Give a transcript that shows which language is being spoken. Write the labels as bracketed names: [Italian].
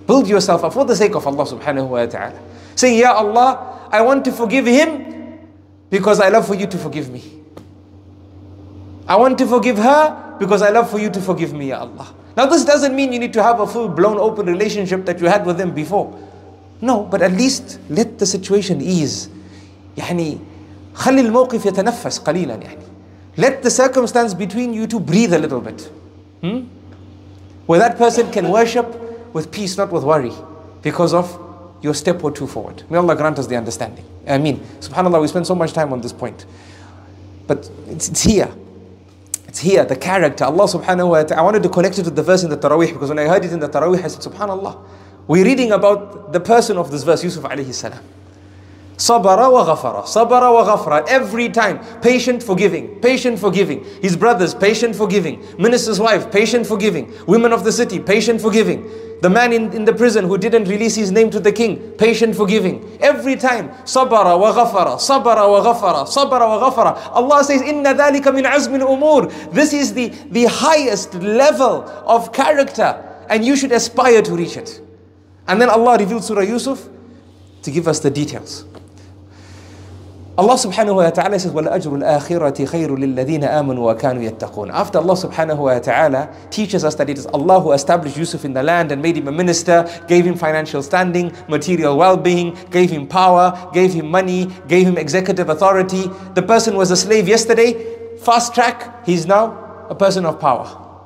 [English] Build yourself up for the sake of Allah subhanahu wa ta'ala. Say, Ya Allah, I want to forgive him because I love for you to forgive me. I want to forgive her because I love for you to forgive me, Ya Allah. Now this doesn't mean you need to have a full-blown open relationship that you had with them before. No, but at least let the situation ease. [Arabic] يعني خلي الموقف يتنفس قليلا يعني. [English] Let the circumstance between you two breathe a little bit. Where that person can worship with peace, not with worry, because of your step or two forward. May Allah grant us the understanding. Ameen. SubhanAllah, we spend so much time on this point. But it's here. It's here, the character. Allah subhanahu wa ta'ala. I wanted to connect it to the verse in the Taraweeh because when I heard it in the Taraweeh, I said, SubhanAllah. We're reading about the person of this verse, Yusuf alayhi salam. [Arabic] Sabara wa ghafara. Sabara wa ghafara. [English] Every time, patient forgiving. Patient forgiving. His brothers, patient forgiving. Minister's wife, patient forgiving. Women of the city, patient forgiving. The man in the prison who didn't release his name to the king, patient forgiving. Every time, [Arabic] sabara wa ghafara, sabara wa ghafara, [English] sabara wa ghafara. Allah says, [Arabic] inna dhalika min azm al-umur. [English] This is the highest level of character and you should aspire to reach it. And then Allah revealed Surah Yusuf to give us the details. Allah subhanahu wa ta'ala says, [Arabic] وَالْأَجْرُ الْآخِرَةِ خَيْرُ لِلَّذِينَ آمَنُوا وَكَانُوا يَتَّقُونَ. [English] After Allah subhanahu wa ta'ala teaches us that it is Allah who established Yusuf in the land and made him a minister, gave him financial standing, material well-being, gave him power, gave him money, gave him executive authority. The person was a slave yesterday, fast track, he's now a person of power.